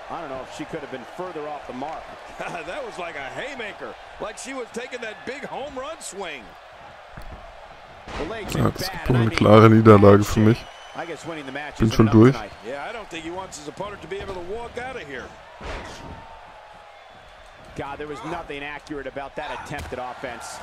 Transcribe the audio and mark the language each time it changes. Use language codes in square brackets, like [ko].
[en] I don't know if she could have been further off the mark. That was like a haymaker, like she was taking that big home run swing. [de] Ja, das ist wohl eine klare Niederlage für mich. Bin schon durch. [en] Yeah, I don't think he wants his opponent to be able to walk out of here. God, there was nothing accurate about that attempt at offense.